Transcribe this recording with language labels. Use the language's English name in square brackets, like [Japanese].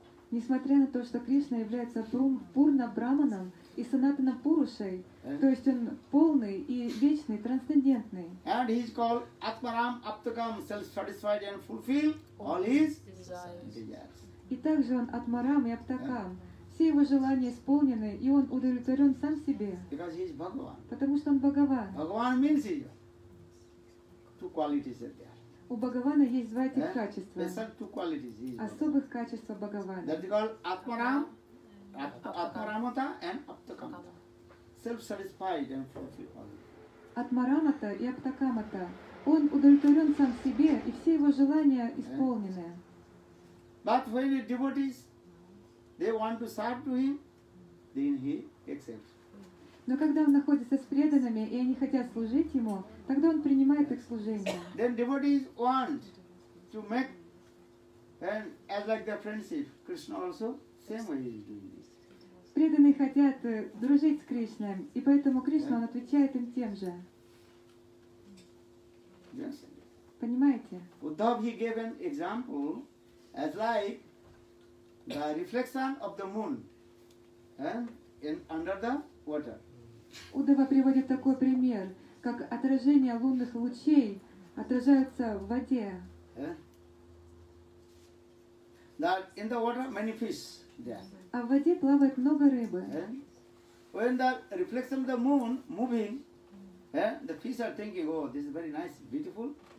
[Russian] Несмотря на то, что Кришна является Пурна Брахманом и Санатана Пурушей, то есть он полный и вечный, трансцендентный. [English] And he is called Atmaram Aptakam, self-satisfied and fulfill all his desires. [Russian] И также он Атмарам и Аптакам. Все его желания исполнены, и он удовлетворен сам себе. [English] Because he is Bhagavan. [Russian] Потому что он Бхагаван. [English] Bhagavan means he. Two qualities are there. [Russian] У Бхагавана есть два этих качества. [English] Special two qualities. [Russian] Особых качеств Бхагавана. [English] That is called Atmaram, Atmaramata and Aptakamata. Self-satisfied and fulfilled. [Russian] Atmaramata и Aptakamata. Он удовлетворен сам себе, и все его желания исполнены. [English] But when the devotees, they want to serve to him, then he accepts. [Russian] Но когда он находится с преданными, и они хотят служить ему, тогда он принимает их служение. [English] Then devotees want to make, and as like the friendship, Krishna also, same way he is doing this. [Russian] Преданные хотят дружить с Кришной, и поэтому Кришна, он отвечает им тем же. [English] Yes. [Russian] Понимаете? [English] Uddhav, he gave an example as like the reflection of the moon in under the water. [Russian] Удава приводит такой пример, как отражение лунных лучей отражается в воде. [English] That in the water many fish there. [Russian] А в воде плавает много рыбы. [English] When the reflection of the moon moving, the fish are thinking, oh, this is very nice, beautiful.